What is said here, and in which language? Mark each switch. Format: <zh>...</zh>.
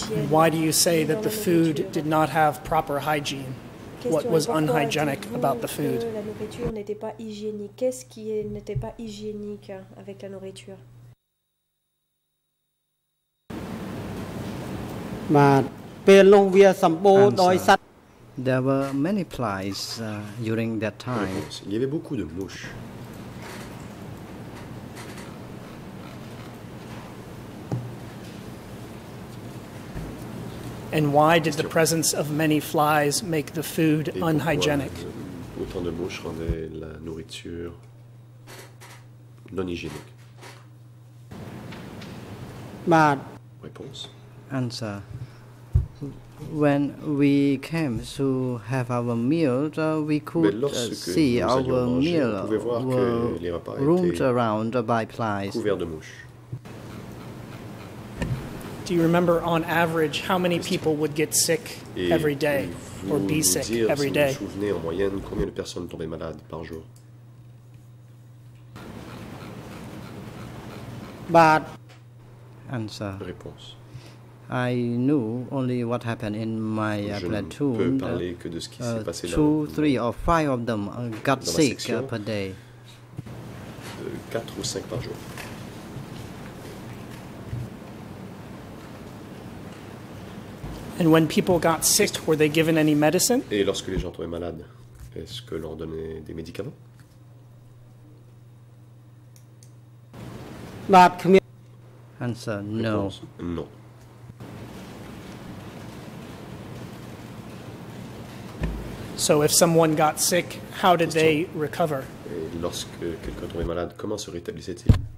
<en>Why do you say that the food did not have proper hygiene? What was unhygienic about the food?</en> <fr>La nourriture n'était pas hygiénique. Qu'est-ce qui n'était pas hygiénique avec la nourriture?</fr> <en>Answer. There were many flies during that time.</en> <fr>Il y avait beaucoup de mouches.</fr> <en>And why did the presence of many flies make the food unhygienic?</en> <fr>Autant de mouches rendait la nourriture non hygiénique. Réponse.</fr> <en>Answer. When we came to have our meal, we could see our meal were roomed around by flies. Do you remember, on average, how many people would get sick every day or be sick every day?</en> <fr>Vous souvenez en moyenne combien de personnes tombaient malades par jour?</fr> <en>But answer.</en> <fr>Réponse.</fr> <en>I knew only what happened in my platoon. Two, three, or five of them got sick per day.</en> <fr>Quatre ou cinq par jour.</fr> <en>And when people got sick, were they given any medicine?</en> <fr>Et lorsque les gens tombaient malades, est-ce que leur donnait des médicaments?</fr> <en>Not commu- Answer, no.</en> <fr>Réponse, non.</fr> <en>So if someone got sick, how did they recover?</en> <fr>Et lorsque quelqu'un tombait malade, comment se rétablissait-il?</fr>